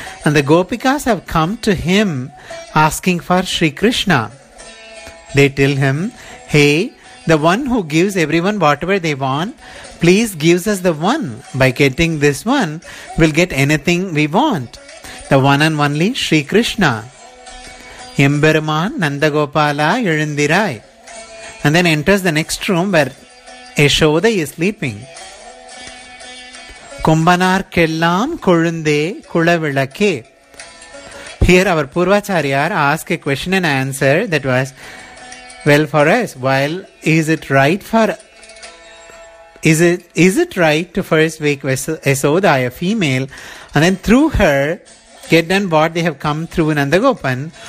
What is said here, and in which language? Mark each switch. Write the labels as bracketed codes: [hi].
[en] And the Gopikas have come to him asking for Sri Krishna. They tell him, "Hey, the one who gives everyone whatever they want, please give us the one. By getting this one, we'll get anything we want. The one and only Sri Krishna." [ta] எம்பெருமான் நந்தகோபாலா எழுந்திராய் [en] and then enters the next room where Yashoda is sleeping. [ta] கொம்பனார்க்கெல்லாம் கொழுந்தே குளவிளக்கே. [en] Here our Purvacharyar ask a question and answer that was, well, for us, while is it right to first wake Yashoda, a female, and then through her get done what they have come through Nandagopan?